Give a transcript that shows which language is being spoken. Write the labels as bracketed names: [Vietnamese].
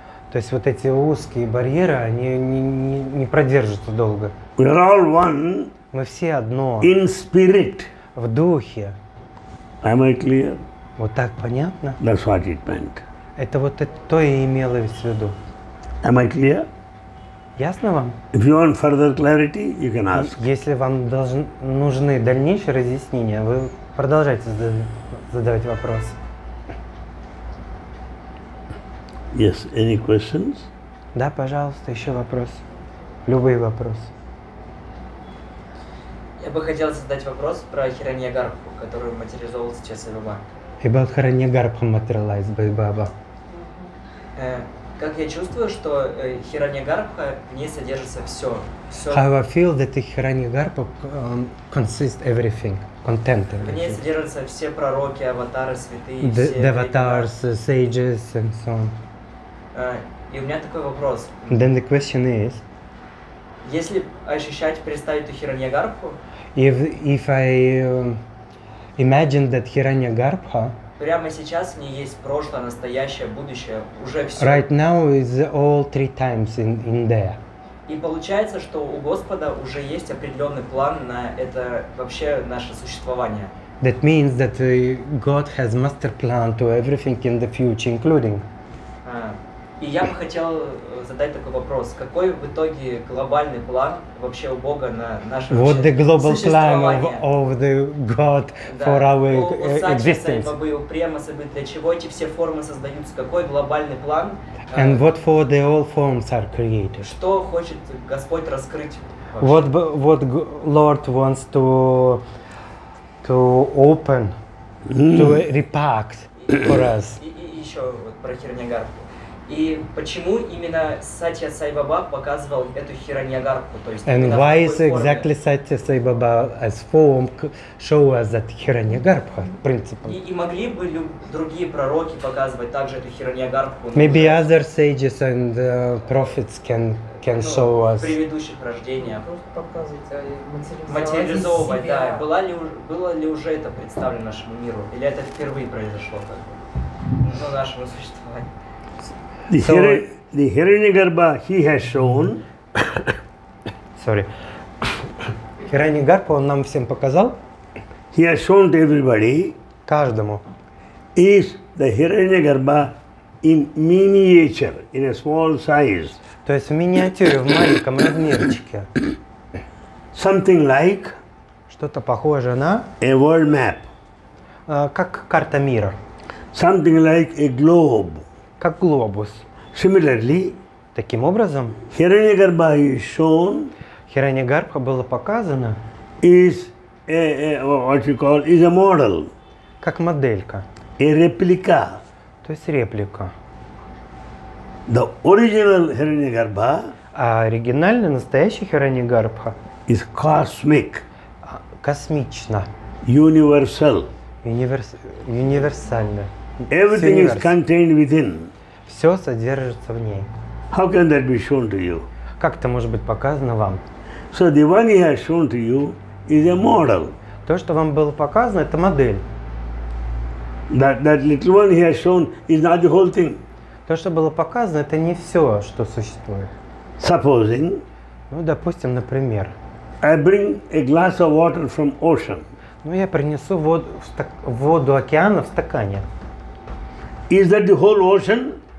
[Russian] То есть вот эти узкие барьеры, они не продержатся долго. [English] We are all one. [Russian] Мы все одно. [English] In spirit. [Russian] В духе. [English] Am I clear? [Russian] Вот так понятно? [English] That's what it meant. [Russian] Это вот то и имелось в виду. [English] Am I clear? [Russian] Ясно вам? [English] If you want further clarity, you can ask. [Russian] Если вам нужны дальнейшие разъяснения, вы продолжайте задавать вопросы. [English] Yes, any questions? [Russian] Да, пожалуйста, еще вопрос. Любые вопросы. Я бы хотел задать вопрос про Хираньягарбху, который материализовал сейчас Айбаба. [English] About Хираньягарбху materialized by Baba. [Russian] Как я чувствую, что Хираньягарбха, в ней содержится все. [English] How I feel that the Хираньягарбха consists everything, content. [Russian] В ней содержатся все пророки, аватары, святые. [English] The avatars, sages and so on. [Russian] И у меня такой вопрос. [English] Then the question is. [Russian] Если ощущать, представить эту Хираньягарбху. [English] If I imagine that Hiranyagarbha. [Russian] Прямо сейчас в ней есть прошлое, настоящее, будущее, уже все. [English] Right now is all three times in there. [Russian] И получается, что у Господа уже есть определенный план на это вообще наше существование. [English] That means that God has master plan to everything in the future, including. [Russian] И я бы хотел задать такой вопрос. Какой в итоге глобальный план вообще у Бога на наше [English] вот the global plan of the God for our existence. [Russian] Сатчи Сайбабы, у Према Сайбы, для чего эти все формы создаются? Какой глобальный план? [English] And what for the all forms are created? [Russian] Что хочет Господь раскрыть вообще? [English] What Lord wants to open, to repack for us. [Russian] И еще вот про Хираньягарбху. И почему именно Сатья Сай Баба показывал эту Хираньягарбху, то есть [English] And why is exactly Сатья Сай Баба as form show us that Хираньягарбха principle? [Russian] И могли бы другие пророки показывать также эту Хираньягарбху? Maybe other sages and prophets can show us. В предыдущих рождениях. Просто показывать, материализовывать, да. Было ли уже это представлено нашему миру, или это впервые произошло так? Ну, нашему существованию. [English] The Hiranyagarbha he has shown. Sorry. [Russian] Хираньягарбху он нам всем показал. [English] He has shown to everybody. [Russian] Каждому. [English] Is the Hiranyagarbha in miniature, in a small size. [Russian] То есть в миниатюре, в маленьком размерчике. [English] Something like. [Russian] Что-то похоже на. [English] A world map. [Russian] Как карта мира. [English] Something like a globe. [Russian] Как глобус. [English] Similarly, [Russian] таким образом, [English] Хираньягарбха is shown. [Russian] Хираньягарбха было показано. [English] Is a what you call is a model. [Russian] Как моделька. [English] A replica. [Russian] То есть реплика. [English] The original Хираньягарбха. [Russian] А оригинальный настоящий Хираньягарбха. [English] Is cosmic. [Russian] Космично. [English] Universal. [Russian] Универсально. [English] Everything is contained within. [Russian] Все содержится в ней. [English] How can that be shown to you? [Russian] Как это может быть показано вам? [English] So the one he has shown to you is a model. [Russian] То, что вам было показано, это модель. [English] That little one he has shown is not the whole thing. [Russian] То, что было показано, это не все, что существует. [English] Supposing. [Russian] Ну, допустим, например. [English] I bring a glass of water from ocean. [Russian] Ну, я принесу воду океана в стакане. [English] Is that the whole ocean?